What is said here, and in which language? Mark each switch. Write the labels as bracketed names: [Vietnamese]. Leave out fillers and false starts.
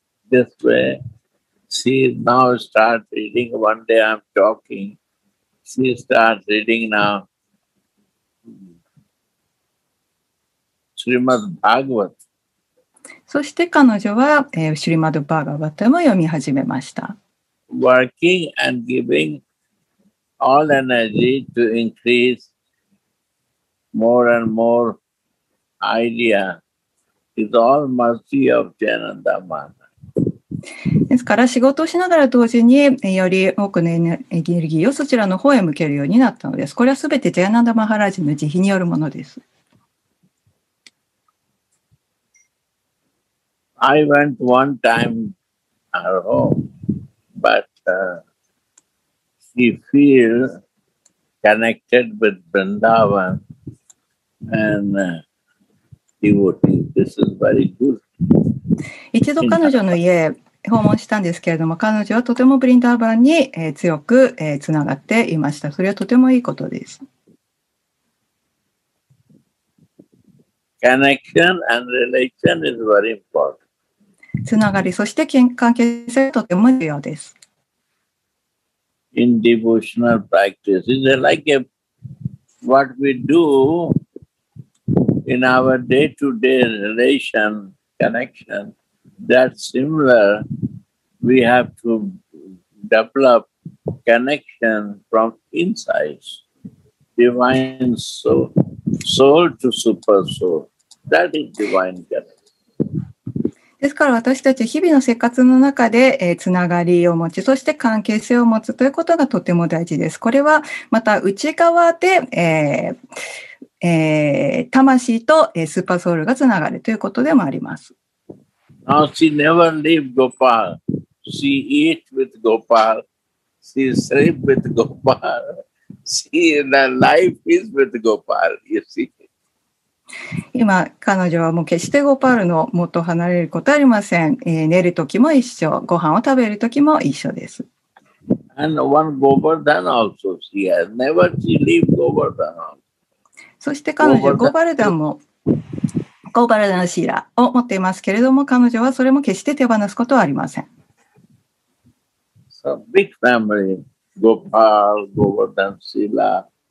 [English] This way, she now starts reading. One day I'm talking. She starts reading now. Srimad Bhagavat. [Japanese] そして彼女は、シュリマド・バーガバタも読み始めました。 [English] Working and giving all energy to increase more and more idea is all mercy of Jananda Mahana. [Japanese] ですから仕事をしながら同時により多くのエネルギーをそちらの方へ向けるようになったのです。これはすべてジャナンダ・マハラジの慈悲によるものです。 [English] I went one time at home, but she feels connected with Vrindavan and devotees. This is very good. [Japanese] 一度彼女の家訪問したんですけれども、彼女はとてもブリンダーバンに強くつながっていました。それはとてもいいことです。 [English] Connection and relation is very important. [Japanese] つながり、そして関係性がとても重要です。 [English] In devotional practice, is it like a, what we do in our day-to-day relation, connection, that similar, we have to develop connection from inside, divine soul, soul to super soul. That is divine gap. [Japanese] ですから私たち日々の生活の中で、つながりを持ち、そして関係性を持つということがとても大事です。これはまた内側で、魂と、スーパーソウルがつながるということでもあります。 [English] Now she never leave Gopal. She eat with Gopal. She sleep with Gopal. She the life is with Gopal. You see? [Japanese] 今彼女はもう決してゴパールの元を離れることはありません、寝るときも一緒、ご飯を食べるときも一緒です。 [English] And one Govardhan also she has never she leave Govardhan [Japanese] そして彼女ゴバルダンもゴバルダンシーラを持っていますけれども、彼女はそれも決して手放すことはありません。 [English] So big family Gopal, Govardhan, Sheela.